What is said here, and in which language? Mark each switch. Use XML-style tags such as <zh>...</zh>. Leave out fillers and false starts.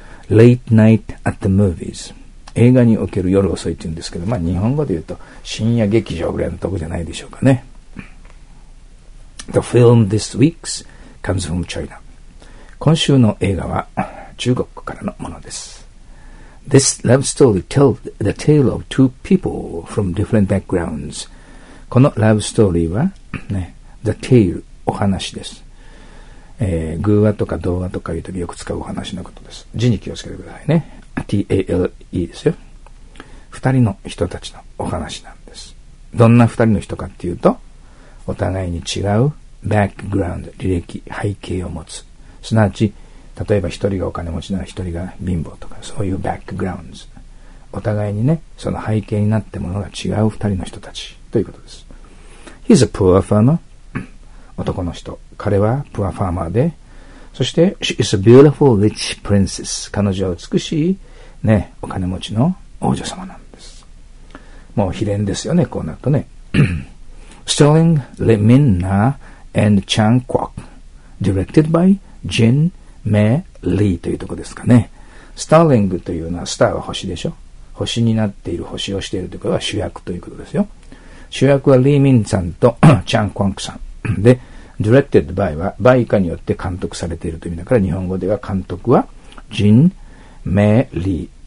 <en>Late night at the movies、</en> <ja>映画における夜遅いって言うんですけど、まあ日本語で言うと深夜劇場ぐらいのとこじゃないでしょうかね。</ja> <en>The film this week comes from China.</en> <ja>今週の映画は中国からのものです。</ja> <en>This love story tells the tale of two people from different backgrounds.</en> <ja>このラブストーリーは、ね、</ja> <en>The tale、</en> <ja>お話です。偶話とか童話とかいうときよく使うお話のことです。字に気をつけてくださいね。 T-A-L-E ですよ。二人の人たちのお話なんです。どんな二人の人かっていうと、お互いに違うバックグラウンド、履歴、背景を持つ。すなわち、例えば一人がお金持ちなら一人が貧乏とか、そういうバックグラウンド。お互いにね、その背景になってものが違う二人の人たちということです。</ja> <en>He's a poor farmer.</en> <ja>男の人。彼はプアファーマーで。そして、</ja> <en>She is a beautiful rich princess.</en> <ja>彼女は美しい、ね、お金持ちの王女様なんです。もう秘伝ですよね、こうなるとね。</ja> <en>Starring Lee Min-na and Chang Kwok, directed by</en> <ja>ジン・メ・リーというところですかね。スターリングというのはスターは星でしょ。星になっている、星をしているということは主役ということですよ。主役はリー・ミンさんとチャン・クワンクさん。で、</ja> <en>directed by</en> <ja>は、バイ以下によって監督されているという意味だから、日本語では監督は、ジン・メ・リー。</ja>